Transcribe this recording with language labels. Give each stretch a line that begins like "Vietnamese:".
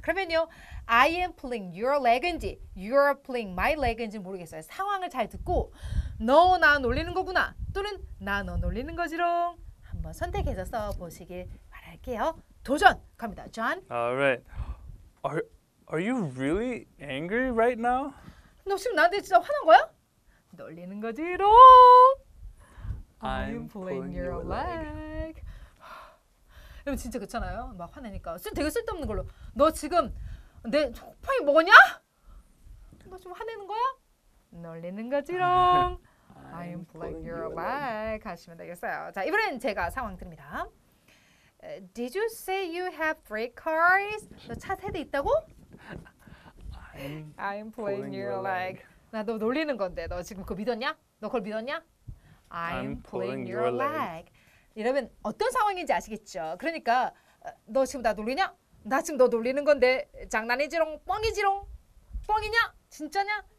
Korean: 그러면요,
English: I am pulling your leg
Korean: 인지,
English: you're pulling my leg
Korean: 인지 모르겠어요. 상황을 잘 듣고, 너 나 놀리는 거구나, 또는 나 너 놀리는 거지롱. 한번 선택해서 써보시길 바랄게요. 도전! 갑니다, John.
English: Alright. Are you really angry right now?
Korean: 너 지금 나한테 진짜 화난 거야? 놀리는 거지롱.
English: I'm pulling your leg.
Korean: 그럼 진짜 그렇잖아요. 막 화내니까 되게 쓸데없는 걸로. 너 지금 내 폭파이 뭐냐? 너 지금 화내는 거야? 놀리는 거지롱.
English: I'm pulling your leg.
Korean: 하시면 되겠어요. 자, 이번엔 제가 상황 드립니다.
English: Did you say you have three cars?
Korean: 너 차 세 대 있다고?
English: I'm pulling your leg.
Korean: 나 너 놀리는 건데 너 지금 그거 믿었냐? 너 그걸 믿었냐?
English: I'm pulling your leg.
Korean: 이러면 어떤 상황인지 아시겠죠? 그러니까 너 지금 나 놀리냐? 나 지금 너 놀리는 건데 장난이지롱? 뻥이지롱? 뻥이냐? 진짜냐?